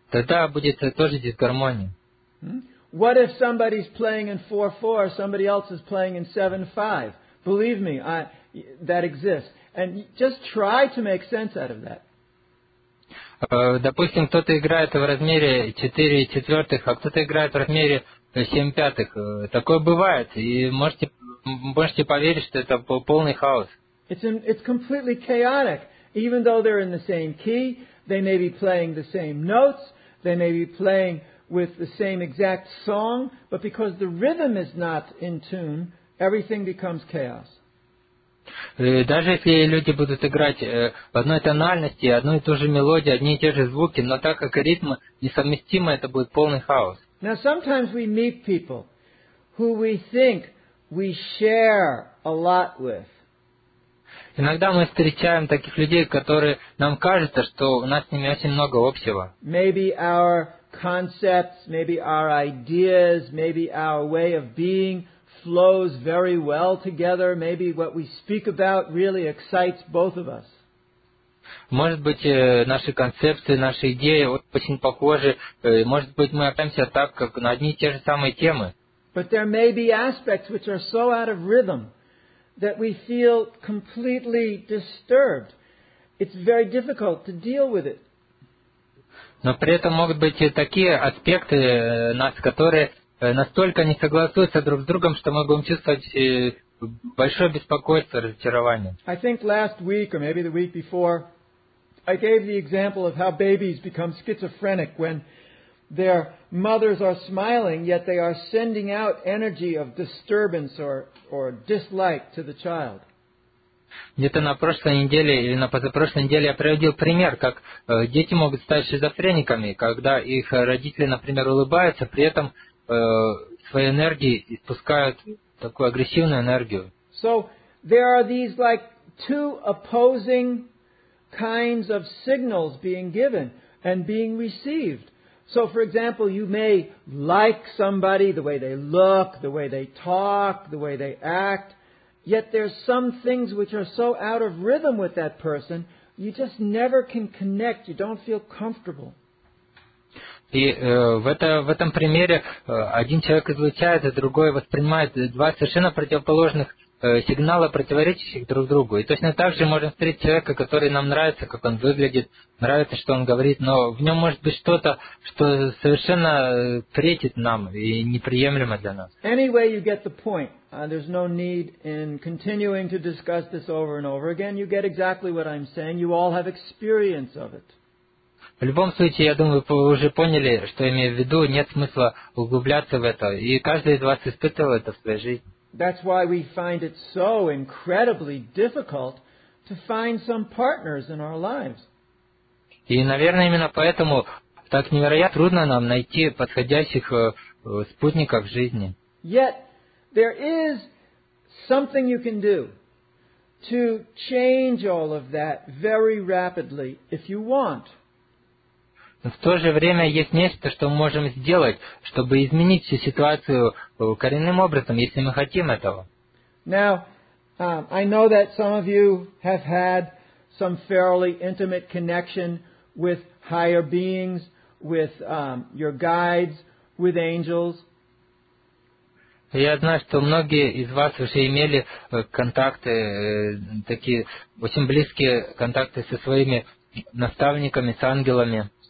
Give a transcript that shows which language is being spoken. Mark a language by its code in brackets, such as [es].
[ru] Тогда будет тоже дисгармония. [en] What if somebody's playing in 4-4, somebody else is playing in 7-5? Believe me, that exists. And just try to make sense out of that. [ru] Допустим, кто-то играет в размере 4 четвертых, а кто-то играет в размере 7 пятых. Такое бывает, и можете поверить, что это полный хаос. [en] It's completely chaotic. Even though they're in the same key, they may be playing the same notes, they may be playing with the same exact song, but because the rhythm is not in tune, everything becomes chaos. [ru] Даже если люди будут играть в одной тональности, одну и ту же мелодию, одни и те же звуки, но так как ритмы несовместимы, это будет полный хаос. [en] Now sometimes we meet people who we think we share a lot with. [ru] Иногда мы встречаем таких людей, которые нам кажется, что у нас с ними очень много общего. [en] Maybe our concepts, maybe our ideas, maybe our way of being flows very well together. Maybe what we speak about really excites both of us. [ru] Может быть, наши концепции, наши идеи очень похожи. Может быть, мы общаемся так, как на одни и те же самые темы. [en] But there may be aspects which are so out of rhythm that we feel completely disturbed. It's very difficult to deal with it. [ru] Но при этом могут быть такие аспекты нас, которые настолько не согласуются друг с другом, что мы будем чувствовать большое беспокойство, разочарование. [en] I think last week, or maybe the week before, I gave the example of how babies become schizophrenic when their mothers are smiling, yet they are sending out energy of disturbance or dislike to the child. [ru] Где-то на прошлой неделе или на позапрошлой неделе я приводил пример, как дети могут стать шизофрениками, когда их родители, например, улыбаются, при этом своей энергией испускают такую агрессивную энергию. [en] So there are these like two opposing kinds of signals being given and being received. So, for example, you may like somebody, the way they look, the way they talk, the way they act, yet there's some things which are so out of rhythm with that person, you just never can connect, you don't feel comfortable. [ru] И в этом примере один человек излучает, а другой воспринимает два совершенно противоположных сигнала, противоречащих друг другу. И точно так же можно встретить человека, который нам нравится, как он выглядит, нравится, что он говорит, но в нем может быть что-то, что совершенно претит нам и неприемлемо для нас. [en] Anyway, you get the point. There's no need in continuing to discuss this over and over again. You get exactly what I'm saying. You all have experience of it. [ru] В любом случае, я думаю, вы уже поняли, что я имею в виду. Нет смысла углубляться в это. И каждый из вас испытывал это в своей жизни. [en] That's why we find it so incredibly difficult to find some partners in our lives. [ru] И, наверное, именно поэтому так невероятно трудно нам найти подходящих спутников в жизни. [en] Yet there is something you can do to change all of that very rapidly if you want. [ru] В то же время есть нечто, что мы можем сделать, чтобы изменить всю ситуацию коренным образом, если мы хотим этого. [en] Now, I know that some of you have had some fairly intimate connection with higher beings, with your guides, with angels. [ru] Я знаю, что многие из вас уже имели контакты, такие очень близкие контакты со своими наставниками, с ангелами.